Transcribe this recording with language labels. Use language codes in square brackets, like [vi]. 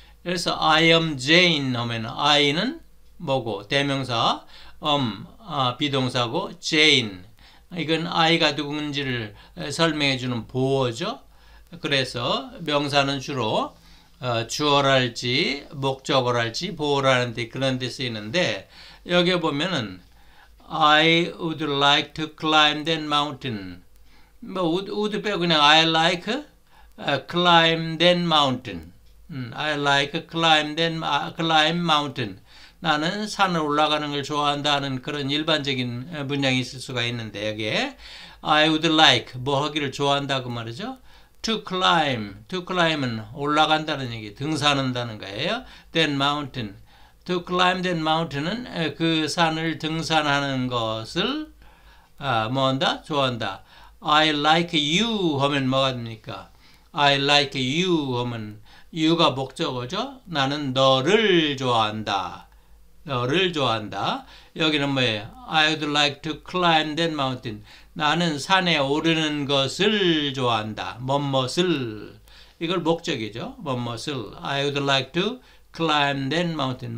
[ko] 그래서 [en] I am Jane [ko] 하면 I는 뭐고 대명사 비동사고 Jane 이건 아이가 누군지를 설명해 주는 보어죠. 그래서 명사는 주로 주어랄지 목적어랄지 보어라는데 그런 데 쓰이는데 여기 보면은 [en] I would like to climb that mountain. [ko] 뭐 [en] would [ko] 빼고 그냥 [en] I like climb that mountain. I like climb mountain. [ko] 나는 산을 올라가는 걸 좋아한다는 그런 일반적인 문장이 있을 수가 있는데 여기에 [en] I would like [ko] 뭐 하기를 좋아한다고 말이죠. [en] To climb [ko] 은 올라간다는 얘기, 등산한다는 거예요. [en] That mountain. To climb that mountain [ko] 은 그 산을 등산하는 것을 뭐한다? 좋아한다. [en] I like you [ko] 하면 뭐가 됩니까? [en] I like you [ko] 하면 [en] you가 [ko] 목적어죠. 나는 너를 좋아한다. 너를 좋아한다. 여기는 뭐예요? [en] I would like to climb that mountain. [ko] 나는 산에 오르는 것을 좋아한다. 뭣뭣을. 이걸 목적이죠. 뭣뭣을. [en] I would like to climb that mountain.